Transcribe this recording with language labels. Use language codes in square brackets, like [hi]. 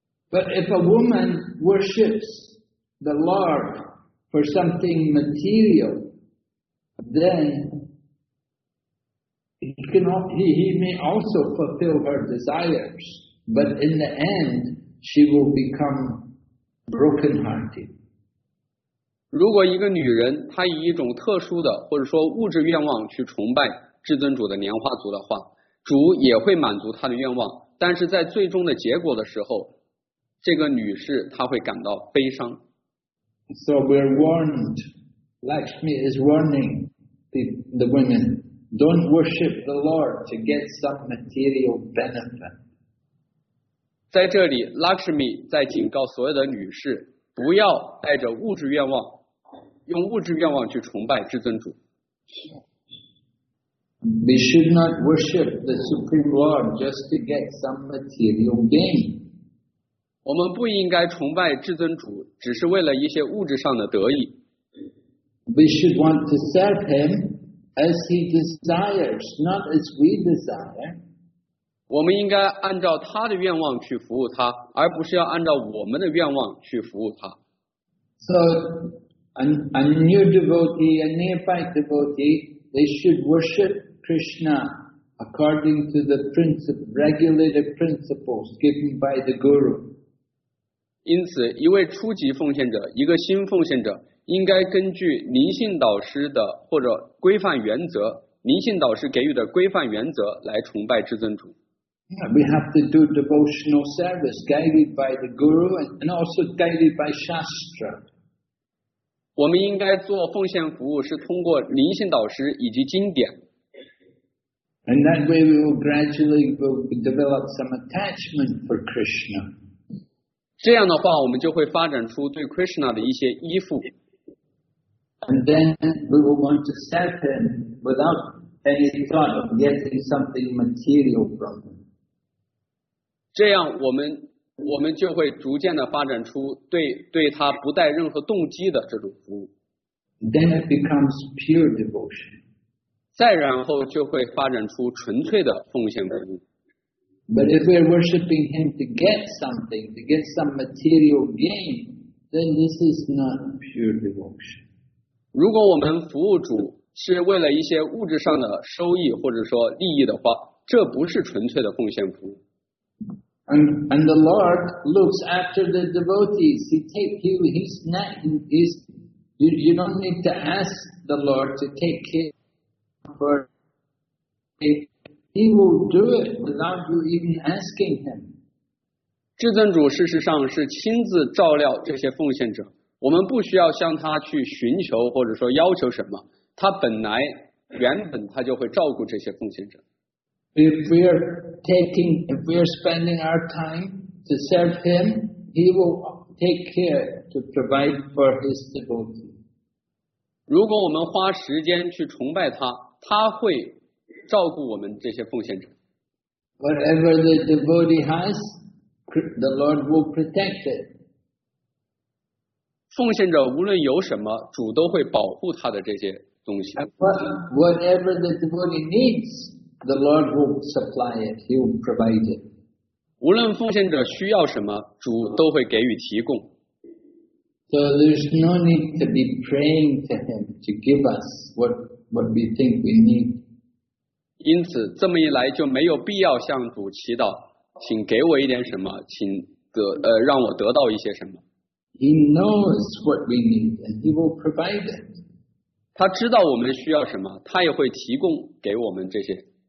[en] But if a woman worships the Lord for something material, then he may also fulfill her desires, but in the end, she will become broken-hearted. [zh] 如果一个女人她以一种特殊的或者说物质愿望去崇拜至尊主的莲花族的话，主也会满足她的愿望，但是在最终的结果的时候，这个女士她会感到悲伤。 [en] So we're warned, Lakshmi is warning the women, don't worship the Lord to get some material benefit. [zh] 在这里 Lakshmi 在警告所有的女士，不要带着物质愿望，用物质愿望去崇拜至尊主。 [en] We should not worship the Supreme Lord just to get some material gain. [zh] 我们不应该崇拜至尊主，只是为了一些物质上的得益。 [en] We should want to serve him as he desires, not as we desire. [zh] 我们应该按照他的愿望去服务他，而不是要按照我们的愿望去服务他。 [en] So, a new devotee, a neophyte devotee, they should worship Krishna according to the regulative principles given by the Guru. [zh] 因此，一位初级奉献者，一个新奉献者，应该根据灵性导师的或者规范原则，灵性导师给予的规范原则来崇拜至尊主。 [en] Yeah, we have to do devotional service guided by the Guru and also guided by Shastra. [zh] 我们应该做奉献服务是通过灵性导师以及经典。 [en] And that way we will gradually develop some attachment for Krishna. [zh] 这样的话我们就会发展出对 Krishna 的一些依附。 [en] And then we will want to serve him without any thought of getting something material from him. [zh] 这样我们就会逐渐的发展出对他不带任何动机的这种服务。 [en] Then it becomes pure devotion. [zh] 再然后就会发展出纯粹的奉献服务。 [en] But if we're worshipping him to get something, to get some material gain, then this is not pure devotion. [zh] 如果我们服务主是为了一些物质上的收益或者说利益的话，这不是纯粹的奉献服务。 [en] And the Lord looks after the devotees. He takes you, he's not, he's, you don't need to ask the Lord to take care for He will do it without you even asking him. [zh] 至尊主事实上是亲自照料这些奉献者，我们不需要向他去寻求或者说要求什么，他本来原本他就会照顾这些奉献者。 [en] If we are spending our time to serve him, he will take care to provide for his devotee. [zh] 如果我们花时间去崇拜他，他会照顾我们这些奉献者。 [en] Whatever the devotee has, the Lord will protect it. [zh] 奉献者无论有什么，主都会保护他的这些东西。 [en] Whatever the devotee needs,The Lord will supply it. He will provide it. [zh] 无论奉献者需要什么，主都会给予提供。 [en] So there's no need to be praying to Him to give us what we think we need. [zh] 因此，这么一来就没有必要向主祈祷，请给我一点什么，请让我得到一些什么。 [en] He knows what we need, and He will provide it. [zh] 他知道我们需要什么，他也会提供给我们这些。